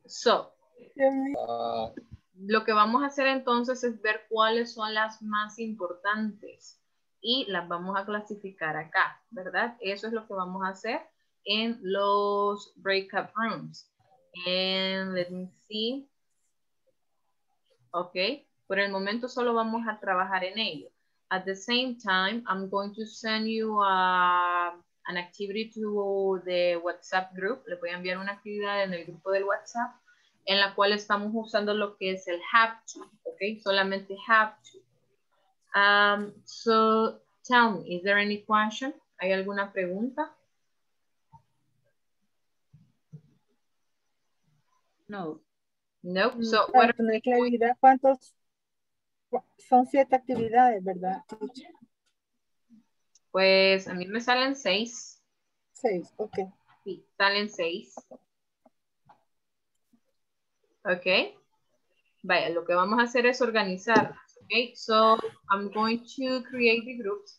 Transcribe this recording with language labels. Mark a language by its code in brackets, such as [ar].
[es] So, lo que vamos a hacer entonces es ver cuáles son las más importantes y las vamos a clasificar acá, ¿verdad? Eso es lo que vamos a hacer en los breakout rooms. [en] And let me see. [es] Okay, por el momento solo vamos a trabajar en ello. [en] At the same time, I'm going to send you an activity to the WhatsApp group. [es] Le voy a enviar una actividad en el grupo del WhatsApp en la cual estamos usando lo que es el have to, okay? Solamente [en] have to. So tell me, is there any question? [es] ¿Hay alguna pregunta? No. [en] So, [es] para tener claridad, ¿cuántos son siete actividades, verdad? Pues a mí me salen seis. Seis, ok. Sí, salen seis. Ok. Vaya, lo que vamos a hacer es organizarlas. [en] Ok, so I'm going to create the groups.